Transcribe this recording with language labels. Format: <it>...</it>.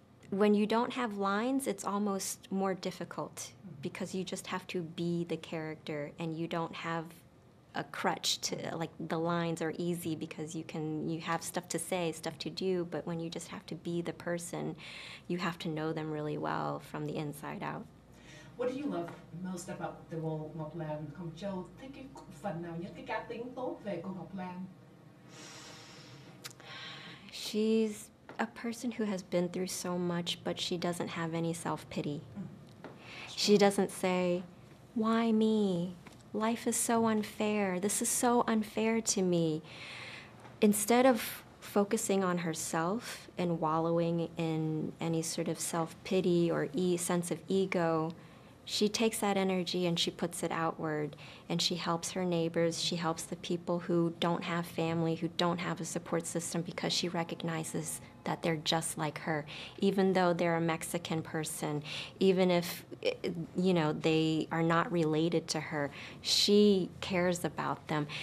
<en>when you don't have lines, it's almost more difficult because you just have to be the character and you don't have a crutch to, like, the lines are easy because you have stuff to say, stuff to do, but when you just have to be the person, you have to know them really well from the inside out. What do you love most about the role of Ngọc Lan?</en> <vi>Hồng Châu, thích cái phần nào nhất, cái cá tính tốt về cô Ngọc Lan?</vi> <en>She's a person who has been through so much, but she doesn't have any self-pity. She doesn't say, why me? Life is so unfair. This is so unfair to me. Instead of focusing on herself and wallowing in any sort of self-pity or sense of ego, she takes that energy and she puts it outward, and she helps her neighbors, she helps the people who don't have family, who don't have a support system, because she recognizes that they're just like her, even though they're a Mexican person, even if, you know, they are not related to her, she cares about them.</en>